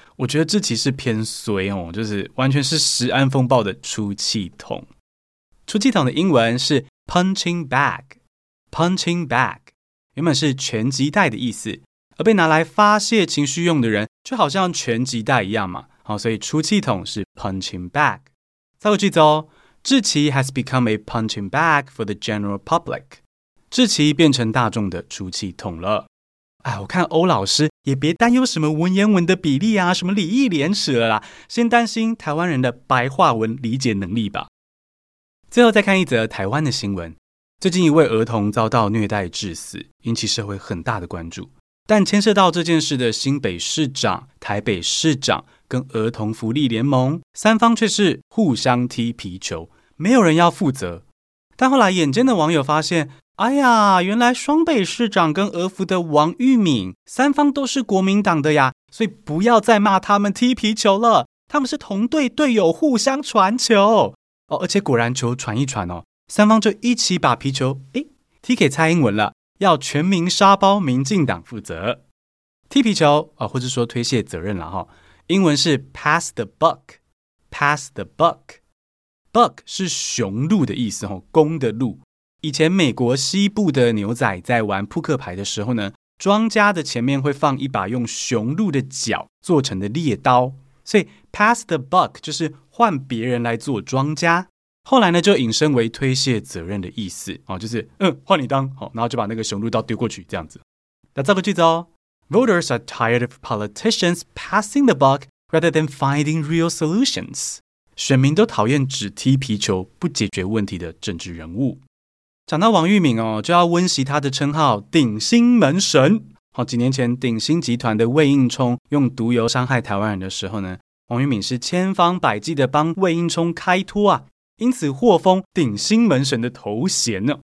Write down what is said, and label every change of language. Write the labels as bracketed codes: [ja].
[zh] 我觉得这其实偏衰哦，就是完全是食安风暴的出气筒。出气筒的英文是 punching bag， punching bag 原本是拳击袋的意思，而被拿来发泄情绪用的人就好像拳击袋一样嘛，好，所以出气筒是 punching bag。再过句子哦， [en] 志奇 has become a punching bag for the general public. [zh] 志奇变成大众的出气筒了。哎，我看欧老师也别担忧什么文言文的比例啊，什么礼义廉耻了啦，先担心台湾人的白话文理解能力吧。最后再看一则台湾的新闻。最近一位儿童遭到虐待致死，引起社会很大的关注。但牵涉到这件事的新北市长、台北市长跟儿童福利联盟三方却是互相踢皮球，没有人要负责。但后来眼尖的网友发现，哎呀，原来双北市长跟儿福的王玉敏三方都是国民党的呀，所以不要再骂他们踢皮球了，他们是同队队友互相传球哦。而且果然球传一传哦，三方就一起把皮球踢给蔡英文了，要全民沙包民进党负责踢皮球或者说推卸责任了哦。英文是 pass the buck， pass the buck， buck 是雄鹿的意思，公的鹿。以前美国西部的牛仔在玩扑克牌的时候呢，庄家的前面会放一把用雄鹿的角做成的猎刀，所以 pass the buck 就是换别人来做庄家，后来呢就引申为推卸责任的意思，就是换你当，然后就把那个雄鹿刀丢过去这样子。那造个句子哦。 [en] Voters are tired of politicians passing the buck rather than finding real solutions. [zh] 选民都讨厌只踢皮球不解决问题的政治人物。讲到王玉敏哦，就要温习他的称号顶新门神。好，几年前顶新集团的魏应冲用毒油伤害台湾人的时候呢，王玉敏是千方百计的帮魏应冲开脱啊，因此获封顶新门神的头衔呢。